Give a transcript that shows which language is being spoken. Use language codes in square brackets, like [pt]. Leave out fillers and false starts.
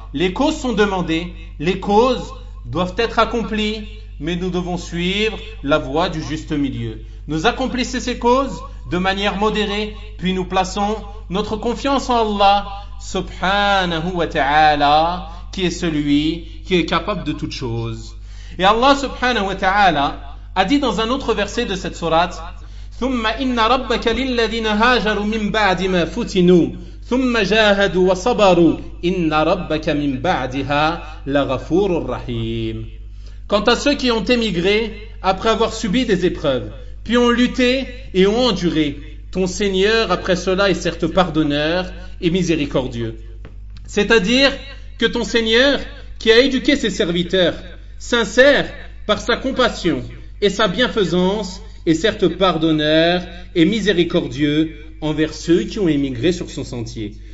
[fr] Les causes sont demandées, les causes doivent être accomplies, mais nous devons suivre la voie du juste milieu. Nous accomplissons ces causes de manière modérée, puis nous plaçons notre confiance en Allah subhanahu wa ta'ala, qui est celui qui est capable de toutes choses. Et Allah subhanahu wa ta'ala a dit dans un autre verset de cette sourate: [ar] ثم إن ربك للذين هاجروا من بعد ما فتنوا ثم جاهدوا وصبروا إن ربك من بعدها لغفور رحيم. [fr] Quant à ceux qui ont émigré après avoir subi des épreuves, puis ont lutté et ont enduré, ton Seigneur après cela est certes pardonneur et miséricordieux. C'est-à-dire que ton Seigneur, qui a éduqué ses serviteurs, sincère par sa compassion et sa bienfaisance, est certes pardonneur et miséricordieux envers ceux qui ont émigré sur son sentier.